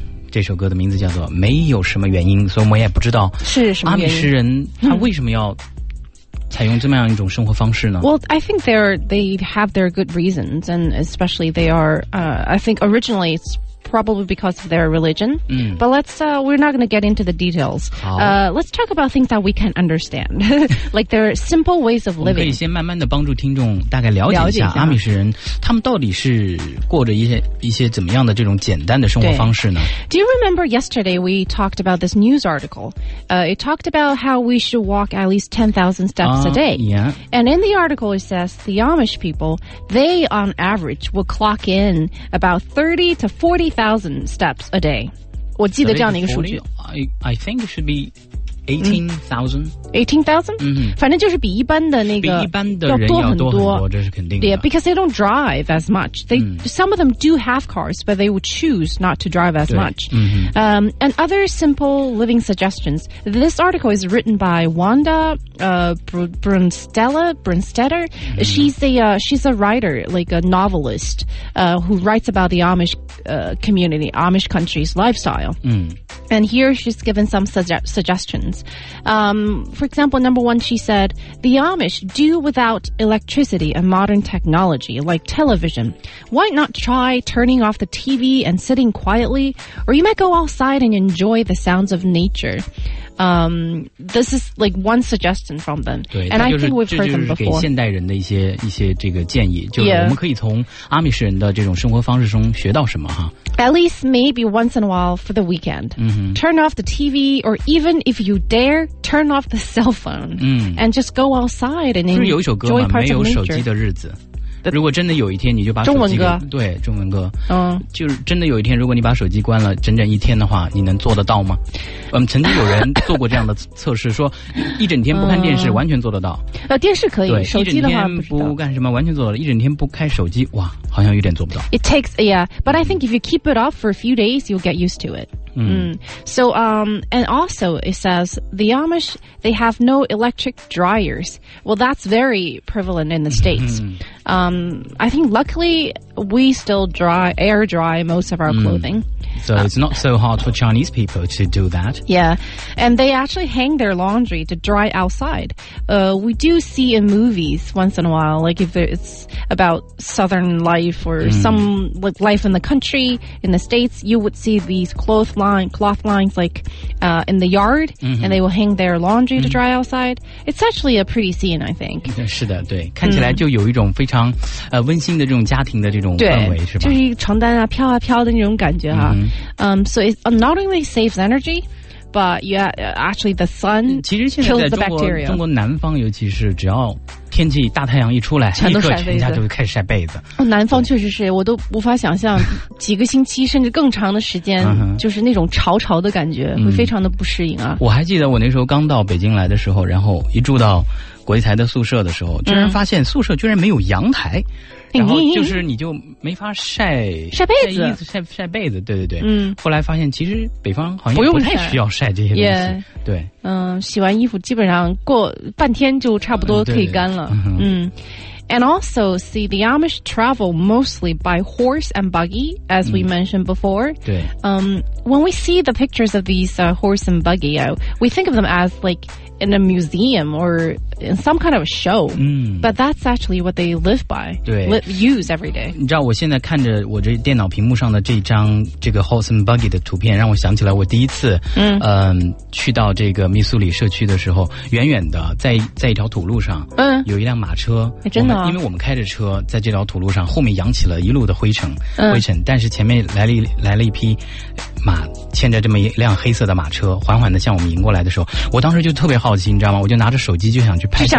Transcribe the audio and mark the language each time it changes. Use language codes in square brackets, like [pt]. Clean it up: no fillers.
[zh] 这首歌的名字叫做没有什么原因，所以我们也不知道是什么原因。阿米什人他为什么要采用这么样一种生活方式呢？ [en] Well, I think they have their good reasons, and especially they are, I think originally it's probably because of their religion. But let's, we're not going to get into the details. Let's talk about things that we can understand. Like their simple ways of living. [zh] 我们可以先慢慢地帮助听众大概了解一下阿米什人他们到底是过着一些怎么样的这种简单的生活方式呢？ [en] Do you remember yesterday we talked about this news article? It talked about how we should walk at least 10,000 steps a day. Yeah. And in the article it says the Amish people, they on average will clock in about 30 to 40,000 steps a day. [zh] 我记得这样的一个数据。 [en] I think it should be 18,000. 18,000? [zh] 反正就是比一般的那个比一般的人要多很 多，这是肯定的。 [en] Yeah, because they don't drive as much. Some of them do have cars, but they will choose not to drive as much. And other simple living suggestions. This article is written by Wanda, Brunstetter. She's a writer, like a novelist, who writes about the Amish, community, Amish country's lifestyle. And here she's given some suggestions. For example, number one, she said, the Amish do without electricity and modern technology like television. Why not try turning off the TV and sitting quietly? Or you might go outside and enjoy the sounds of nature. This is like one suggestion from them. And I think we've heard them before. [zh] 这就是给现代人的一些这个建议。就是我们可以从阿米什人的这种生活方式中学到什么哈。 [en] At least maybe once in a while for the weekend. Turn off the TV, or even if you dare, turn off the cell phone. And just go outside and enjoy parts of nature. [zh] 是有一首歌吗？没有手机的日子。如果真的有一天你就把手机中文歌对中文歌就是真的有一天如果你把手机关了整整一天的话你能做得到吗曾经有人做过这样的测试说一整天不看电视完全做得到电视可以手机的话不干什么完全做得到一整天不开手机哇好像有点做不到 [en] It takes yeah but I think if you keep it off for a few days you'll get used to it So, and also it says the Amish, they have no electric dryers. Well, that's very prevalent in the States. I think luckily we still air dry most of our clothing. So it's not so hard for Chinese people to do that. Yeah. And they actually hang their laundry to dry outside. We do see in movies once in a while, like if it's about Southern life or some like life in the country, in the States, you would see these cloth lines like in the yard and they will hang their laundry to dry outside. It's actually a pretty scene, I think. [zh] 是的对。看起来就有一种非常温馨的这种家庭的这种氛围是吧就是一个床单啊飘啊飘的那种感觉啊。 [en] So it not only saves energy, but actually the sun kills the bacteria. [zh] 其实现在在中国南方尤其是只要天气大太阳一出来全都晒被子全家就开始晒被子、哦、南方确实是我都无法想象几个星期甚至更长的时间就是那种潮潮的感觉会非常的不适应啊我还记得我那时候刚到北京来的时候然后一住到国际台的宿舍的时候居然发现宿舍居然没有阳台然后就是你就没法晒被子对对对后来发现其实北方好像不太需要晒这些东西 对洗完衣服基本上过半天就差不多可以干了 [en] And also, see, the Amish travel mostly by horse and buggy, as we mentioned before. When we see the pictures of these horse and buggy, we think of them as like in a museum or in some kind of a show. But that's actually what they live by, use every day. [zh] 你知道我现在看着我这电脑屏幕上的这张这个 [en] horse and buggy [zh] 的图片让我想起来我第一次去到这个密苏里社区的时候远远的在一条土路上有一辆马车。真的因为我们开着车在这条土路上后面扬起了一路的灰尘但是前面来了一匹马牵着这么一辆黑色的马车缓缓地向我们迎过来的时候我当时就特别好奇你知道吗我就拿着手机就想去拍照